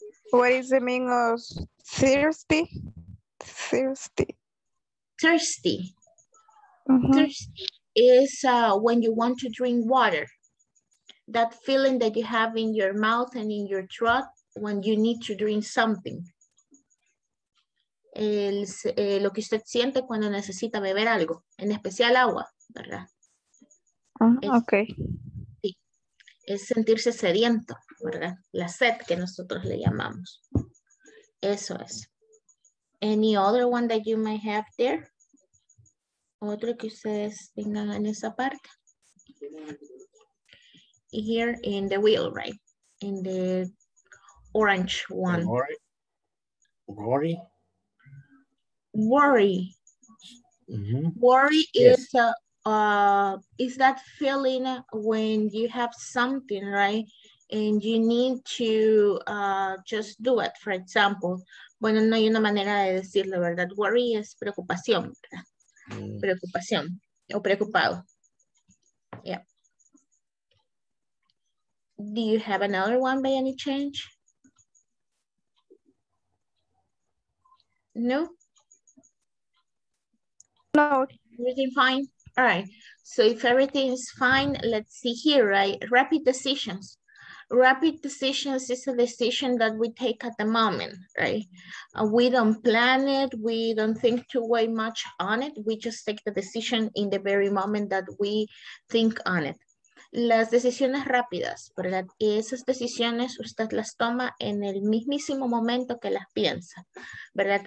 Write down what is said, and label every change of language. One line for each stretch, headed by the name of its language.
English: What is the meaning of thirsty? Thirsty. Thirsty. Thirsty is when you want to drink water. That feeling that you have in your mouth and in your throat when you need to drink something.
Spanish: Lo que usted siente cuando necesita beber algo, en especial agua, ¿verdad?
English: Okay.
Spanish: Sí. Es sentirse sediento, ¿verdad? La sed que nosotros le llamamos. Eso es.
English: Any other one that you may have there?
Spanish: Otro que ustedes tengan en esa parte.
English: Here in the wheel, right? In the orange one. Worry. Worry. Mm-hmm. Worry is, yes. Is that feeling when you have something, right? And you need to just do it, for example.
Spanish: Bueno, no hay una manera de decirlo, ¿verdad? Worry es preocupación, ¿verdad? Preocupación o preocupado. Yeah.
English: Do you have another one by any change? No? No. Everything fine? All right. So if everything is fine, let's see here, right? Rapid decisions. Rapid decisions is a decision that we take at the moment, right? We don't plan it, we don't think too way much on it, we just take the decision in the very moment that we think on it.
Spanish: Las decisiones rápidas, ¿verdad? Y esas decisiones usted las toma en el mismísimo momento que las piensa, ¿verdad?